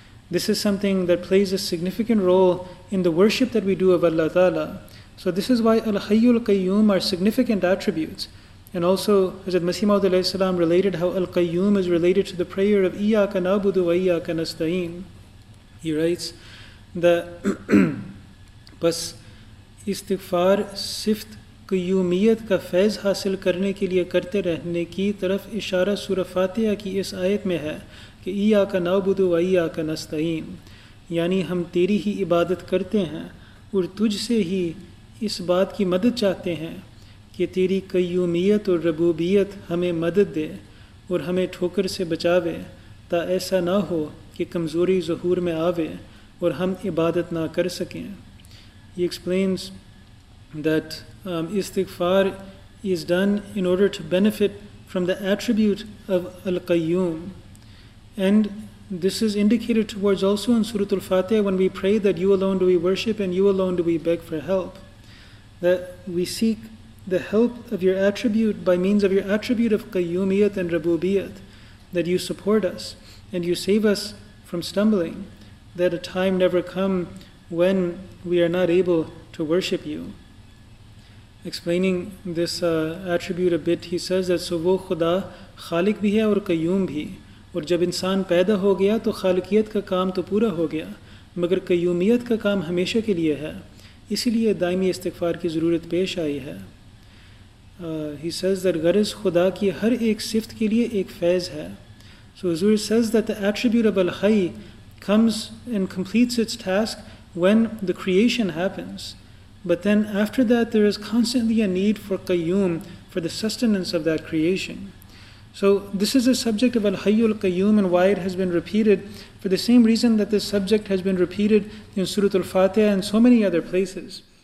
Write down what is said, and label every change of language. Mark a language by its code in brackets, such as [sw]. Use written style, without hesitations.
[en] This is something that plays a significant role in the worship that we do of Allah Ta'ala. So this is why Al-Hayyul Qayyum are significant attributes. And also, Hazrat Masih Maud alayhi salam related how Al-Qayyum is related to the prayer of [ar] Iyyaka Na'budu wa Iyyaka Nasta'in. [en] He writes that [ur] بس استغفار صفت قیومیت کا فیض حاصل کرنے کے لیے کرتے رہنے کی طرف اشارہ سورہ فاتحہ کی اس آیت میں ہے کہ [ar] ایاک نعبد و ایاک نستعین. [ur] Yani hum teri hi ibadat karte hain aur tujh se hi اس بات کی مدد چاہتے ہیں کہ تیری قیومیت اور ربوبیت ہمیں مدد دے اور ہمیں ٹھوکر سے بچاوے تا ایسا نہ ہو کہ کمزوری ظہور میں آوے اور ہم عبادت نہ کر سکیں. [en] He explains that istighfar is done in order to benefit from the attribute of Al-Qayyum. And this is indicated towards also in Surah Al-Fatiha when we pray that you alone do we worship and you alone do we beg for help. That we seek the help of your attribute by means of your attribute of qayyumiyat and rabubiyat, that you support us and you save us from stumbling, that a time never come when we are not able to worship you. Explaining this attribute a bit, he says that [ur] سو وہ خدا خالق بھی ہے اور قیوم بھی, اور جب انسان پیدا ہو گیا تو خالقیت کا کام تو پورا ہو گیا, مگر قیومیت کا کام ہمیشہ کے لیے ہے. اسی لیے دائمی استغفار کی ضرورت پیش آئی ہے. [en] He says that [ur] غرض خدا کی ہر ایک صفت کے لیے ایک فیض ہے. [en] So Huzur says that the attribute of al-hayy comes and completes its task when the creation happens. But then after that there is constantly a need for qayyum, for the sustenance of that creation. So this is a subject of al-hayyul qayyum and why it has been repeated, for the same reason that this subject has been repeated in Surah Al-Fatiha and so many other places.